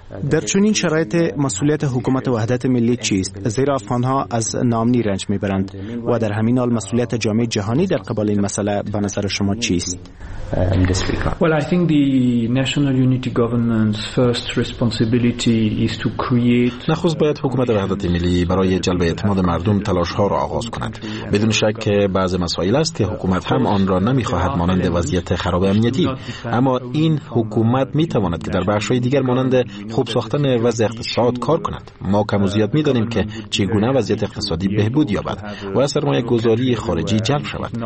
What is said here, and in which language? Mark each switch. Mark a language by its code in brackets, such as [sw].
[fa] در چنین شرایط مسئولیت حکومت وحدت ملی چیست؟ زیرا افغانها از نامنی رنج میبرند و در همین حال مسئولیت جامعه جهانی در قبال این مسئله به نظر شما چیست؟ [en] Well, I think the national unity government's first responsibility is to create. [fa] نخست باید حکومت وحدت ملی برای جلب اعتماد مردم تلاش‌ها را آغاز کند. بدون شک که بعض مسائل است که حکومت هم آن را نمی‌خواهد، مانند وضعیت خراب امنیتی. اما این حکومت می‌تواند که در بخش‌های دیگر مانند خوب ساختن وضع اقتصاد کار کنند. ما کم و زیاد می‌دانیم که چگونه وضعیت اقتصادی بهبود یابد و سرمایه‌گذاری خارجی جلب شود.